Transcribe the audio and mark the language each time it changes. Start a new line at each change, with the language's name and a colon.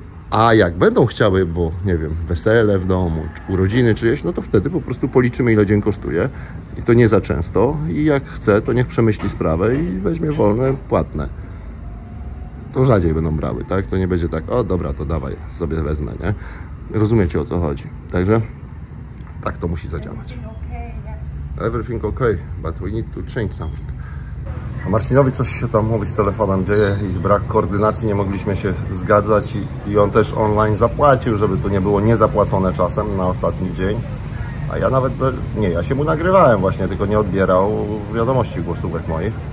Polish: A jak będą chciały, bo nie wiem, wesele w domu, urodziny czyjeś, no to wtedy po prostu policzymy, ile dzień kosztuje. I to nie za często. I jak chce, to niech przemyśli sprawę i weźmie wolne, płatne. To rzadziej będą brały, tak? To nie będzie tak, o dobra, to dawaj, sobie wezmę, nie? Rozumiecie, o co chodzi. Także tak to musi zadziałać.
English: Everything okay, but we need to change something.
Polish: A Marcinowi coś się tam mówi z telefonem dzieje i brak koordynacji, nie mogliśmy się zgadzać i on też online zapłacił, żeby to nie było niezapłacone czasem na ostatni dzień. A ja nawet, nie, ja się mu nagrywałem właśnie, tylko nie odbierał wiadomości głosówek moich.